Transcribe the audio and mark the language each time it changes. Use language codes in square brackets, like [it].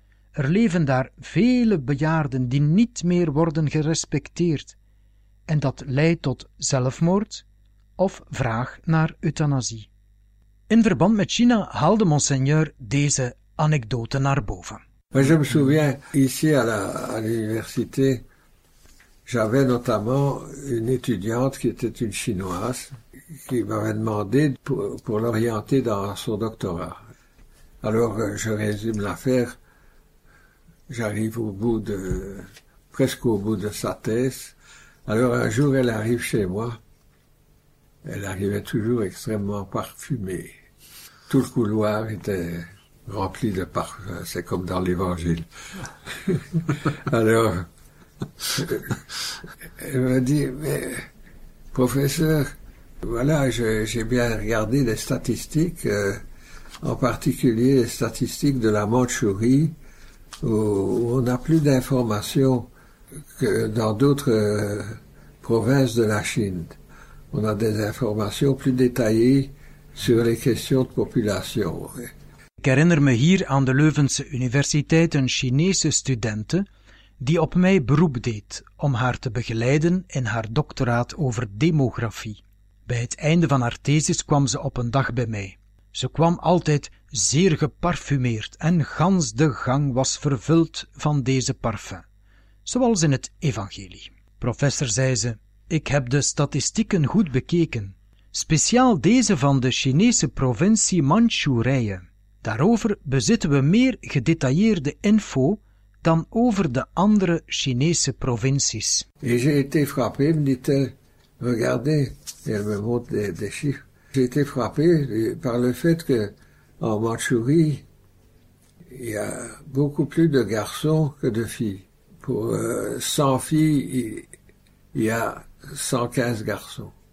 [nl] Er leven daar vele bejaarden die niet meer worden gerespecteerd en dat leidt tot zelfmoord of vraag naar euthanasie. In verband met China haalde Monseigneur deze anekdote naar boven. [fr] Mais je me souviens, ici à l'université, j'avais notamment une étudiante qui était une Chinoise. Qui m'avait demandé pour l'orienter dans son doctorat. Alors, je résume l'affaire. J'arrive au bout de... presque au bout de sa thèse. Alors, un jour, elle arrive chez moi. Elle arrivait toujours extrêmement parfumée. Tout le couloir était rempli de parfum. C'est comme dans l'Évangile. Alors, elle me dit, mais professeur, voilà, j'ai bien regardé les statistiques, en particulier les statistiques de la Mandchourie, où on a plus d'informations que dans d'autres provinces de la Chine. On a des informations plus détaillées sur les questions de population. [nl] Ik herinner me hier aan de Leuvense Universiteit een Chinese studente die op mij beroep deed om haar te begeleiden in haar doctoraat over demografie. Bij het einde van haar thesis kwam ze op een dag bij mij. Ze kwam altijd zeer geparfumeerd en gans de gang was vervuld van deze parfum, zoals in het evangelie. Professor, zei ze, ik heb de statistieken goed bekeken, speciaal deze van de Chinese provincie Mandchoerije. Daarover bezitten we meer gedetailleerde info dan over de andere Chinese provincies. [fr] Et j'ai été frappé, me dit-elle, regardez, elle me montre des chiffres. J'ai été frappé par le fait que en Mandchourie, il y a beaucoup plus de garçons que de filles. Pour 100 filles, il y a 115 garçons.